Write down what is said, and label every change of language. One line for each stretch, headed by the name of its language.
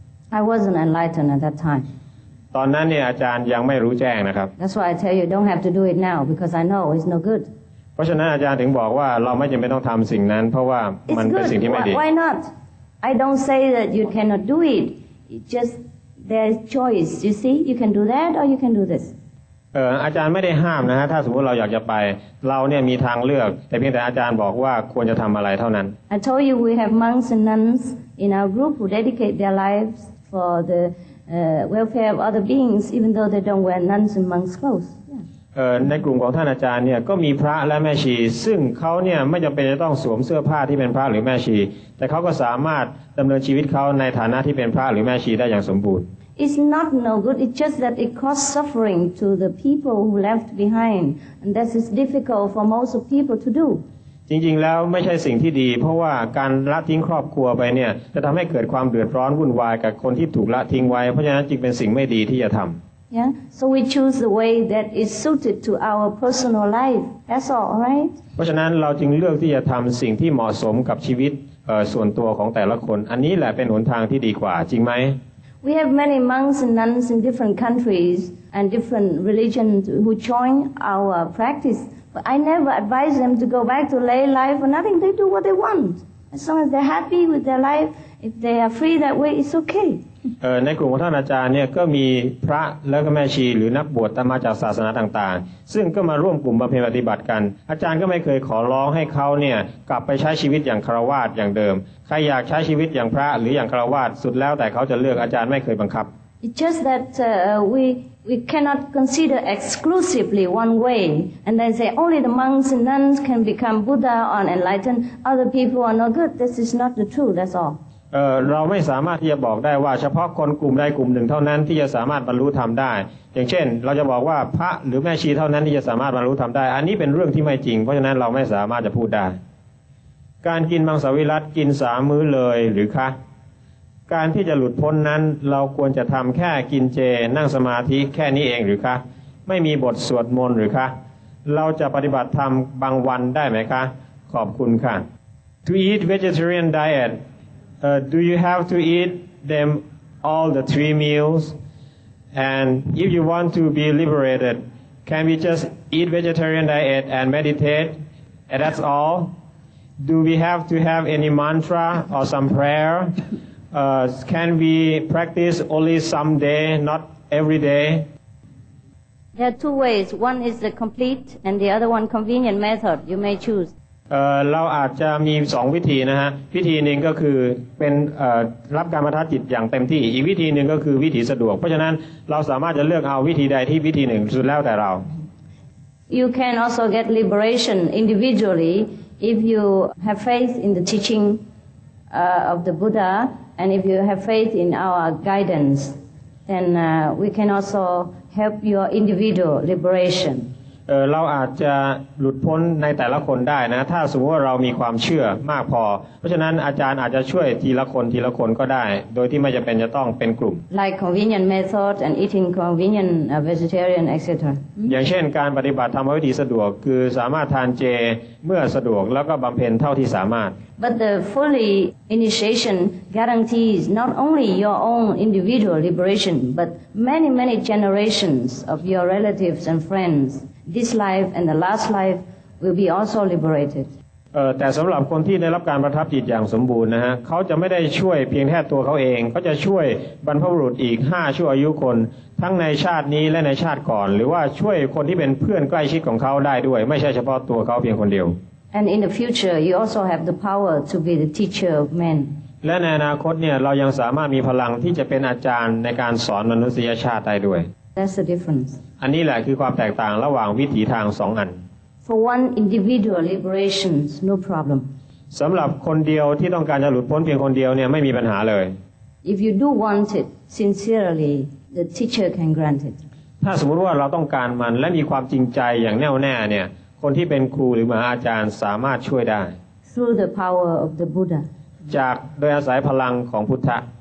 English: I wasn't enlightened at that time.
Thai: ตอนนั้นเนี่ยอาจารย์ยังไม่รู้แจ้งนะครับ
English: That's why I tell you don't have to do it now because I know it's no good.
Thai: เพราะฉะนั้นอาจารย์ถึงบอกว่าเราไม่จำเป็นต้องทำสิ่งนั้นเพราะว่ามันเป็นสิ่งที่ไม่ดี
English: Why not? I don't say that you cannot do it. JustThere's choice. You see, you can do that or you can do this.
Thai: อาจารย์ไม่ได้ห้ามนะฮะถ้าสมมติเราอยากจะไปเราเนี่ยมีทางเลือกแต่เพียงแต่อาจารย์บอกว่าควรจะทำอะไรเท่านั้น
English: I told you we have monks and nuns in our group who dedicate their lives for the welfare of other beings, even though they don't wear nuns and monks clothes. Yeah.
Thai: ในกลุ่มของท่านอาจารย์เนี่ยก็มีพระและแม่ชีซึ่งเขาเนี่ยไม่จำเป็นจะต้องสวมเสื้อผ้าที่เป็นพระหรือแม่ชีแต่เขาก็สามารถดำเนินชีวิตเขาในฐานะที่เป็นพระหรือแม่ชีได้อย่างสมบูรณ์
English: It's not no good. It's just that it caused suffering to the people who left behind, and that is difficult for most of people to do.
Thai: จริงๆแล้วไม่ใช่สิ่งที่ดีเพราะว่าการละทิ้งครอบครัวไปเนี่ยจะทำให้เกิดความเดือดร้อนวุ่นวายกับคนที่ถูกละทิ้งไว้เพราะฉะนั้นจึงเป็นสิ่งไม่ดีที่จะทำ
English: Yeah. So we choose the way that is suited to our personal life. That's all, right?
Thai: เพราะฉะนั้นเราจึงเลือกที่จะทำสิ่งที่เหมาะสมกับชีวิตส่วนตัวของแต่ละคนอันนี้แหละเป็นหนทางที่ดีกว่าจริงไหม
English: We have many monks and nuns in different countries and different religions who join our practice. But I never advise them to go back to lay life or nothing. They do what they want. As long as they're happy with their life, if they are free that way, it's okay.
Thai: ในกลุ่มของท่านอาจารย์เนี่ยก็มีพระแล้วก็แม่ชีหรือนักบวชตามมาจากศาสนาต่างๆซึ่งก็มาร่วมกลุ่มบำเพ็ญปฏิบัติกันอาจารย์ก็ไม่เคยขอร้องให้เขาเนี่ยกลับไปใช้ชีวิตอย่างคฤหัสถ์อย่างเดิมใครอยากใช้ชีวิตอย่างพระหรืออย่างคฤหัสถ์สุดแล้วแต่เขาจะเลือกอาจารย์ไม่เคยบังคับ
English: It's just that we cannot consider exclusively one way and then say only the monks and nuns can become Buddha or enlightened other people are no good this is not the truth that's all
Thai: เราไม่สามารถที่จะบอกได้ว่าเฉพาะคนกลุ่มใดกลุ่มหนึ่งเท่านั้นที่จะสามารถบรรลุธรรมได้อย่างเช่นเราจะบอกว่าพระหรือแม่ชีเท่านั้นที่จะสามารถบรรลุธรรมได้อันนี้เป็นเรื่องที่ไม่จริงเพราะฉะนั้นเราไม่สามารถจะพูดได้ การกินมังสวิรัติกินสามมื้อเลยหรือคะการที่จะหลุดพ้นนั้นเราควรจะทำแค่กินเจนั่งสมาธิแค่นี้เองหรือคะไม่มีบทสวดมนต์หรือคะเราจะปฏิบัติธรรมบางวันได้ไหมคะขอบคุณค่ะ
English: To eat vegetarian dietdo you have to eat them all the three meals? And if you want to be liberated, can we just eat vegetarian diet and meditate? And that's all? Do we have to have any mantra or some prayer? Can we practice only some day, not every day? There are two ways. One is the complete and the other one convenient method. You may choose.
Thai: เราอาจจะมีสองวิธีนะฮะวิธีหนึ่งก็คือเป็นรับการบรรทัดจิตอย่างเต็มที่อีกวิธีหนึ่งก็คือวิธีสะดวกเพราะฉะนั้นเราสามารถจะเลือกเอาวิธีใดที่วิธีหนึ่งสุดแล้วแต่เรา
English: You can also get liberation individually if you have faith in the teaching of the Buddha and if you have faith in our guidance then we can also help your individual liberation.
Thai: เราอาจจะหลุดพ้นในแต่ละคนได้นะถ้าสมมติว่าเรามีความเชื่อมากพอเพราะฉะนั้นอาจารย์อาจจะช่วยทีละคนทีละคนก็ได้โดยที่ไม่จำเป็นจะต้องเป็นกลุ่ม
English: Like convenient method and eating convenient vegetarian etc.
Thai: อย่างเช่นการปฏิบัติทำวิธีสะดวกคือสามารถทานเจเมื่อสะดวกแล้วก็บำเพ็ญเท่าที่สามารถ
English: But the fully initiation guarantees not only your own individual liberation but many many generations of your relatives and friendsThis life and the last life will be also liberated.
Thai: แต่สำหรับคนที่ได้รับการประทับจิตอย่างสมบูรณ์นะฮะเขาจะไม่ได้ช่วยเพียงแค่ตัวเขาเองเขาจะช่วยบรรพบุรุษอีก5ชั่วอายุคนทั้งในชาตินี้และในชาติก่อนหรือว่าช่วยคนที่เป็นเพื่อนใกล้ชิดของเขาได้ด้วยไม่ใช่เฉพาะตัวเขาเพียงคนเดียว
English: And in the future, you also have the power to be the teacher of men.
Thai: และในอนาคตเนี่ยเรายังสามารถมีพลังที่จะเป็นอาจารย์ในการสอนมนุษยชาติได้ด้วย
English: That's the difference.
Thai: อันนี้แหละคือความแตกต่างระหว่างวิถีทางสองอัน
English: For one individual liberation, no problem.
Thai: สำหรับคนเดียวที่ต้องการจะหลุดพ้นเพียงคนเดียวเนี่ยไม่มีปัญหาเลย
English: If you do want it sincerely, the teacher can grant it.
Thai: ถ้าสมมติว่าเราต้องการมันและมีความจริงใจอย่างแน่วแน่เนี่ยคนที่เป็นครูหรือมหาอาจารย์สามารถช่วยได้
English: Through the power of the Buddha.
Thai: จากโดยอาศัยพลังของพุทธะ